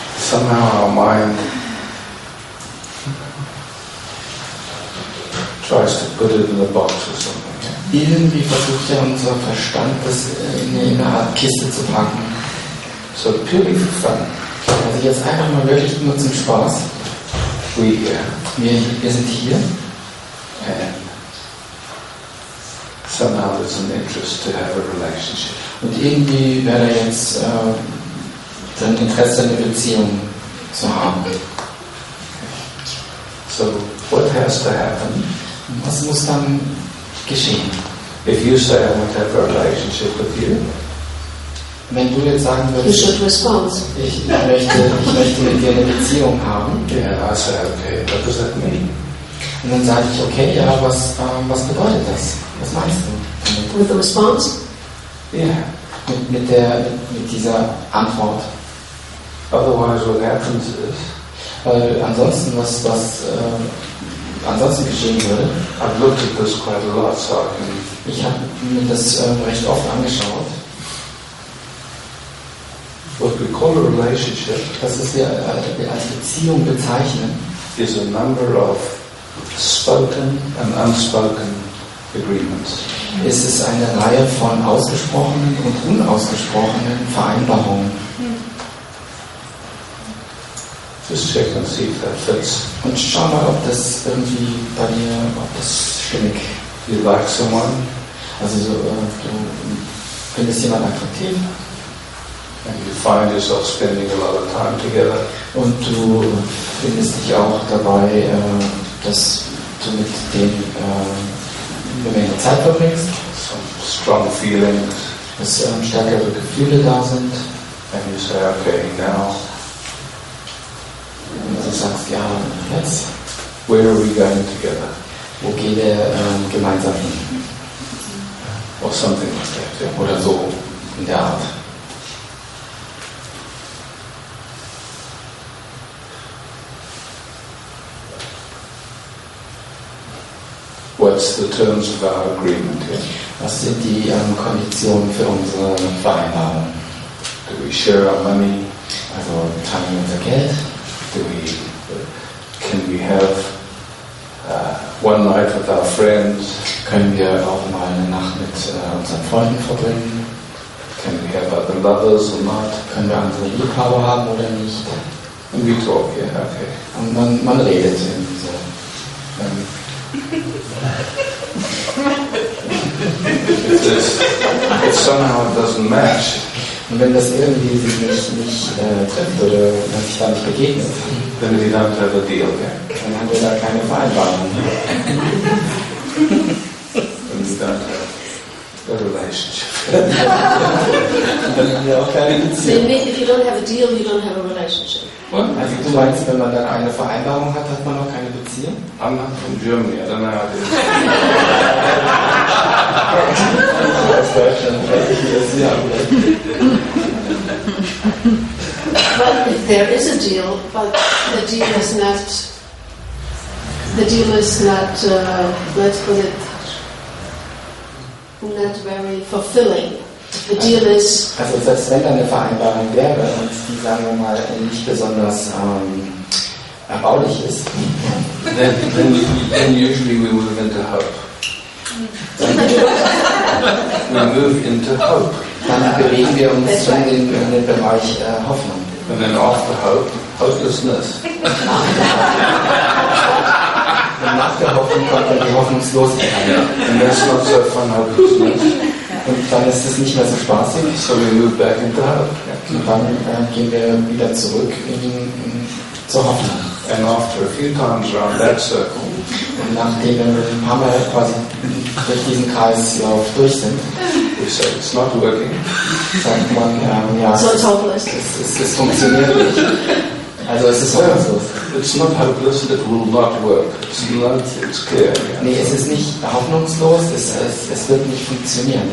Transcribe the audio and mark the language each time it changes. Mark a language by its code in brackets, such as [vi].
[en] Somehow our mind tries to put it in a box or something. [de] Irgendwie versucht ja unser Verstand, das in eine Art Kiste zu packen. [en] So purely for fun. [de] Also jetzt einfach mal wirklich nur zum Spaß. Wir sind hier. [en] And somehow there's an interest to have a relationship. [de] Und irgendwie wäre da jetzt dann Interesse, eine Beziehung zu haben. [en] So what has to happen? [de] Was muss dann geschehen? [en] If you say I want to have a relationship with you. [de] Wenn du jetzt sagen würdest, ich möchte mit dir eine Beziehung haben, [en] yeah, I say, okay, what does that mean? [de] Und dann sage ich, okay, ja, was bedeutet das? Was meinst du? [en] With the response? Yeah. [de] Mit dieser Antwort. [en] Otherwise, what happens is, [de] weil ansonsten, was ansonsten geschehen würde, [en] I've looked at this quite a lot, so I can... [de] Ich habe mir das recht oft angeschaut. [en] What we call a relationship, [de] das ist ja als Beziehung bezeichnen, [en] is a number of spoken and unspoken agreements. [de] Ist es eine Reihe von ausgesprochenen und unausgesprochenen Vereinbarungen. [en] Just check and see if that fits. [de] Und schau mal, ob das irgendwie bei dir, ob das stimmig. [en] You like someone? [de] Also so, du findest jemand attraktiv. [en] And you find yourself spending a lot of time together. [de] Und du findest dich auch dabei, dass du mit dem eine Menge Zeit verbringst. [en] Some strong feelings. [de] Dass stärkere Gefühle da sind. [en] And you say, okay, now. [de] Und du sagst, ja, jetzt. [en] Where are we going together? [de] Wo gehen wir gemeinsam hin? [en] Or something like that. Yeah. [de] Oder so, in der Art. [en] What's the terms of our agreement here? [de] Was sind die Konditionen für unsere Vereinbarung? [en] Do we share our money? [de] Also teilen wir unser Geld? [en] Can we have one night with our friends? [de] Können wir auch mal eine Nacht mit unseren Freunden verbringen? [en] Can we have other lovers or not? [de] Können wir andere Liebhaber haben oder nicht? [en] And we talk, yeah, okay. [de] Und man redet in so. [en] It somehow doesn't match. [de] Und wenn das irgendwie sich nicht trifft oder man sich da nicht begegnet, [en] then we don't have a deal, okay? [de] Dann haben wir da keine Vereinbarung. [en] Then we don't have a relationship. [de] Dann haben wir auch keine Beziehung. [en] If you don't have a deal, you don't have a relationship. What? [de] Also du meinst, wenn man dann eine Vereinbarung hat, hat man noch keine Beziehung? [en] I'm not from Germany, I don't know how it is. [de] Aus Deutschland, weiß ich, wie das hier haben. [en] But if there is a deal, but the deal is not very fulfilling. The deal is [de] also selbst wenn da eine Vereinbarung wäre und die, sagen wir mal, nicht besonders erbaulich ist, [en] then usually we move into hope. We move into hope. [de] Dann bewegen wir uns schon in den Bereich Hoffnung. [en] And then after hope, hopelessness. [de] Und nach der Hoffnung kommt dann die Hoffnungslosigkeit. [en] And that's not so fun, hopelessness. [de] Und dann ist es nicht mehr so spaßig. [en] So we move back into hope. [de] Und dann gehen wir wieder zurück in zur Hoffnung. [en] And after a few times around that circle. [de] Und nachdem wir ein paar Mal quasi durch diesen Kreislauf durch sind, [en] so it's not working. [de] Sagt man, ja, [en] so it's hopeless. [de] Es funktioniert nicht. Also es ist hopeless. [en] It's not hopeless and it will not work. It's clear. Yeah. [de] Nee, es ist nicht hoffnungslos, es wird nicht funktionieren.